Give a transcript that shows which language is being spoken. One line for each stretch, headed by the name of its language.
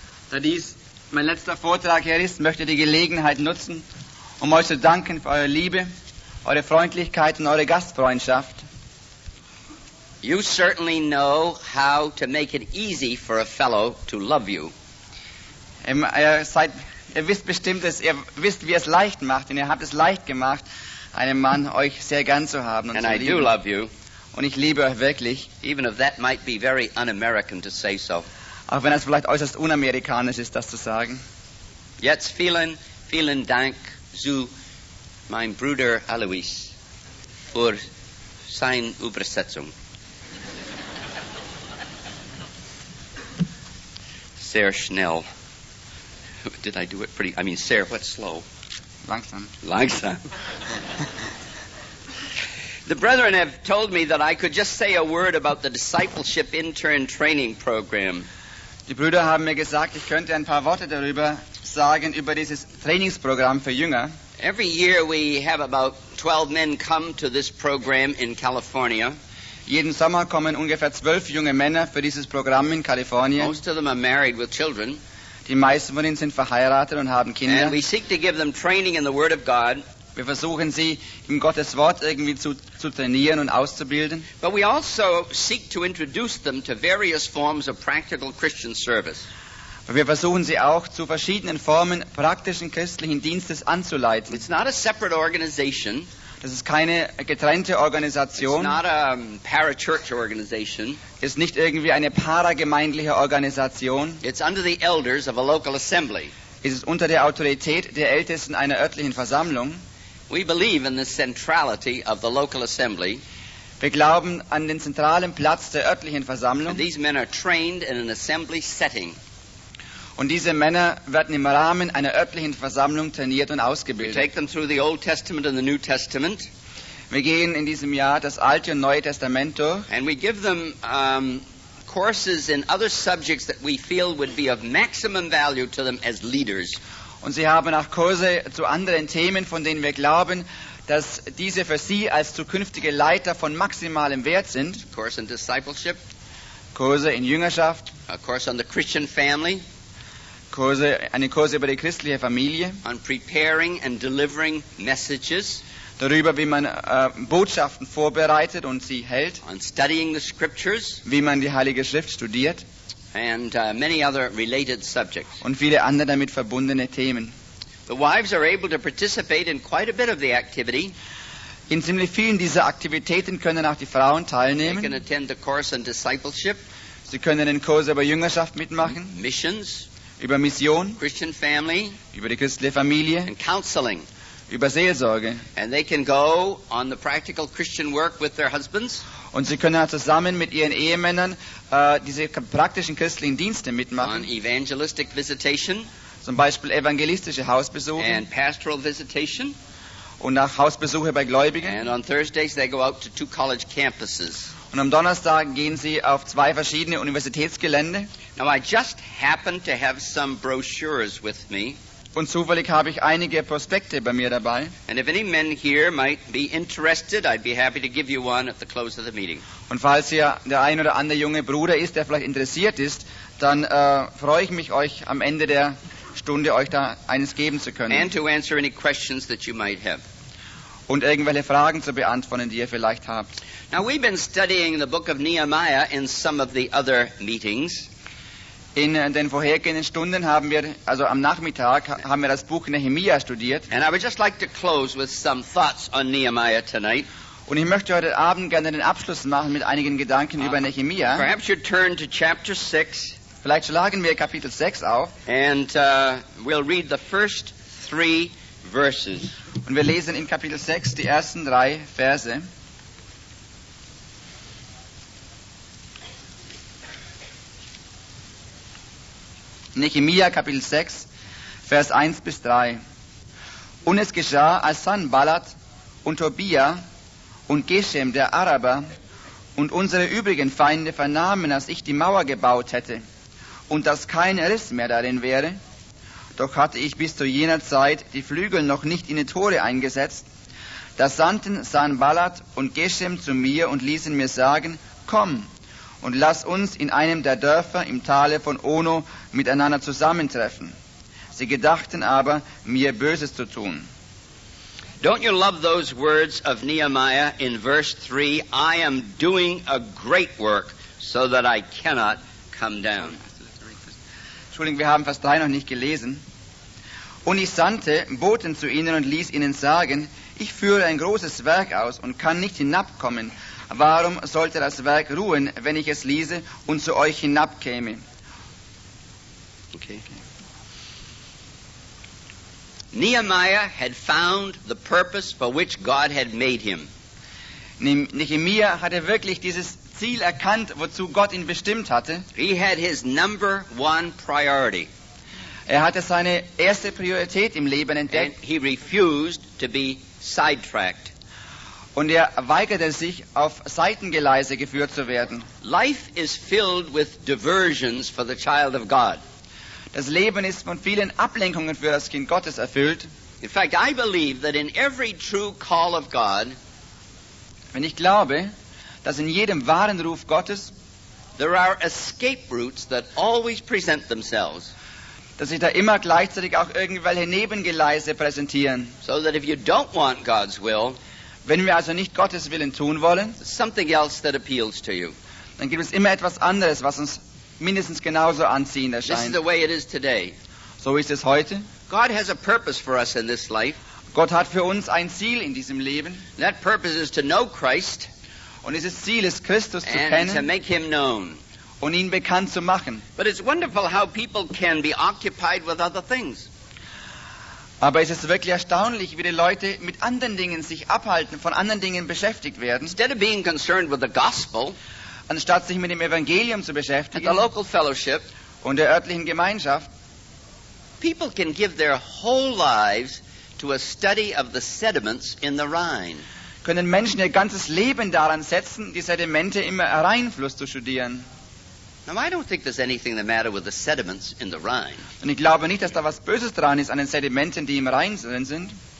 German: Da dies mein letzter Vortrag hier ist, möchte die Gelegenheit nutzen, um euch zu danken für eure Liebe, eure Freundlichkeit und eure Gastfreundschaft.
English: You certainly know how to make it easy for a fellow to love you.
German: Ihr wisst bestimmt, dass ihr wisst, wie es leicht macht, und ihr habt es leicht gemacht, einen Mann euch sehr gern zu haben und
English: and
German: zu
English: I
German: lieben.
English: Do love you.
German: Und ich liebe euch wirklich.
English: Even if that might be very un-American to say so.
German: Auch wenn es vielleicht äußerst unamerikanisch ist, das zu sagen. Jetzt vielen Dank zu meinem Bruder Alois für seine Übersetzung. Sehr schnell.
English: Did I do it pretty? I mean,
German: sehr,
English: what's slow?
German: Langsam.
English: The brethren have told me that I could just say a word about the discipleship intern training program.
German: Die Brüder haben mir gesagt, ich könnte ein paar Worte darüber sagen, über dieses Trainingsprogramm für Jünger.
English: Every year we have about 12 men come to this program in California.
German: Jeden Sommer kommen ungefähr 12 junge Männer für dieses Programm in Kalifornien.
English: Most of them are married with children.
German: Die meisten von ihnen sind verheiratet und haben Kinder.
English: And we seek to give them training in the Word of God.
German: Wir versuchen sie im Gottes Wort irgendwie zu trainieren und auszubilden.
English: But we also seek to introduce them to various forms of practical Christian service.
German: Aber wir versuchen sie auch zu verschiedenen Formen praktischen christlichen Dienstes anzuleiten.
English: It's not a separate organization.
German: Das ist keine getrennte Organisation.
English: It's not a para-church organization.
German: Es ist nicht irgendwie eine paragemeindliche Organisation.
English: It's under the elders of a local assembly.
German: Es ist unter der Autorität der Ältesten einer örtlichen Versammlung.
English: We believe in the centrality of the local assembly.
German: Wir glauben an den zentralen Platz der örtlichen Versammlung.
English: And these men are trained in an assembly setting.
German: Und diese Männer werden im Rahmen einer örtlichen Versammlung trainiert und ausgebildet.
English: We take them through the Old Testament and the New Testament.
German: Wir gehen in diesem Jahr das Alte und Neue Testament durch.
English: And we give them courses in other subjects that we feel would be of maximum value to them as leaders.
German: Und sie haben auch Kurse zu anderen Themen, von denen wir glauben, dass diese für sie als zukünftige Leiter von maximalem Wert sind.
English: A course in discipleship.
German: Kurse in Jüngerschaft.
English: A course on the Christian family.
German: Kurse über die christliche Familie.
English: On preparing and delivering messages.
German: Darüber, wie man Botschaften vorbereitet und sie hält.
English: On studying the scriptures.
German: Wie man die Heilige Schrift studiert.
English: And many other related subjects.
German: Und viele andere damit verbundene Themen.
English: The wives are able to participate in quite a bit of the activity.
German: In ziemlich vielen dieser Aktivitäten können auch die Frauen teilnehmen.
English: They can attend the course on discipleship.
German: Sie können den Kurs über Jüngerschaft mitmachen.
English: Missions.
German: Über Mission.
English: Christian family.
German: Über die christliche Familie.
English: And counseling.
German: Über Seelsorge.
English: And they can go on the practical Christian work with their husbands.
German: Und sie können zusammen mit ihren Ehemännern diese praktischen christlichen Dienste mitmachen.
English: On evangelistic visitation.
German: Zum Beispiel evangelistische Hausbesuche.
English: And pastoral visitation.
German: Und auch Hausbesuche bei Gläubigen.
English: And on Thursdays they go out to two college campuses.
German: Und am Donnerstag gehen sie auf zwei verschiedene Universitätsgelände.
English: Now I just happen to have some brochures with me.
German: Und zufällig habe ich einige Prospekte bei mir dabei.
English: And if any men here might be interested, I'd be happy to give you one at the close of the meeting.
German: Und falls hier der ein oder andere junge Bruder ist, der vielleicht interessiert ist, dann freue ich mich, euch am Ende der Stunde euch da eines geben zu können.
English: And to answer any questions that you might have.
German: Und irgendwelche Fragen zu beantworten, die ihr vielleicht habt.
English: Now we've been studying the book of Nehemiah in some of the other meetings.
German: In den vorhergehenden Stunden haben wir, also am Nachmittag, haben wir das Buch Nehemiah studiert.
English: And I would just like to close with some thoughts on Nehemiah tonight.
German: Und ich möchte heute Abend gerne den Abschluss machen mit einigen Gedanken über Nehemiah.
English: Perhaps you'd turn to chapter 6.
German: Vielleicht schlagen wir Kapitel 6 auf.
English: And we'll read the first three verses.
German: Und wir lesen in Kapitel 6 die ersten drei Verse. Nehemiah Kapitel 6, Vers 1 bis 3. Und es geschah, als Sanballat und Tobia und Geshem der Araber und unsere übrigen Feinde vernahmen, dass ich die Mauer gebaut hätte und dass kein Riss mehr darin wäre, doch hatte ich bis zu jener Zeit die Flügel noch nicht in die Tore eingesetzt, da sandten Sanballat und Geshem zu mir und ließen mir sagen, komm und lass uns in einem der Dörfer im Tale von Ono miteinander zusammentreffen. Sie gedachten aber, mir Böses zu tun.
English: Don't you love those words of Nehemiah in verse 3? I am doing a great work so that I cannot come down.
German: Entschuldigung, wir haben Vers 3 noch nicht gelesen. Und ich sandte Boten zu ihnen und ließ ihnen sagen, ich führe ein großes Werk aus und kann nicht hinabkommen. Warum sollte das Werk ruhen, wenn ich es ließe und zu euch hinabkäme? Okay.
English: Nehemiah had found the purpose for which God had made him.
German: Nehemiah hatte wirklich dieses Ziel erkannt, wozu Gott ihn bestimmt hatte.
English: He had his number one priority.
German: Er hatte seine erste Priorität im Leben entdeckt.
English: And he refused to be sidetracked.
German: Und er weigerte sich, auf Seitengeleise geführt zu werden.
English: Life is filled with diversions for the child of God.
German: Das Leben ist von vielen Ablenkungen für das Kind Gottes erfüllt.
English: In fact, I believe that in every true call of God,
German: wenn ich glaube, dass in jedem wahren Ruf Gottes,
English: there are escape routes that always present themselves,
German: dass sich da immer gleichzeitig auch irgendwelche Nebengeleise präsentieren,
English: so that if you don't want God's will,
German: wenn wir also nicht Gottes Willen tun wollen,
English: something else that appeals to you,
German: dann gibt es immer etwas anderes, was uns mindestens genauso anziehend erscheint.
English: This is the way it is today.
German: So ist es heute.
English: God has a purpose for us in this life.
German: Gott hat für uns ein Ziel in diesem Leben.
English: That purpose is to know Christ.
German: Und dieses Ziel ist, Christus zu
English: and
German: kennen
English: to make him known.
German: Und ihn bekannt zu machen.
English: But it's wonderful how people can be occupied with other things.
German: Aber es ist wirklich erstaunlich, wie die Leute mit anderen Dingen sich abhalten, von anderen Dingen beschäftigt werden.
English: Instead of being concerned with the gospel,
German: anstatt sich mit dem Evangelium zu beschäftigen,
English: the local fellowship,
German: und der örtlichen Gemeinschaft,
English: people can give their whole lives to a study of the sediments in the Rhine.
German: Können Menschen ihr ganzes Leben daran setzen, die Sedimente im Rheinfluss zu studieren.
English: Now, I don't think there's anything the matter with the sediments in the Rhine.
German: Und ich glaube nicht, dass da was Böses dran ist an den Sedimenten, die im Rhein sind.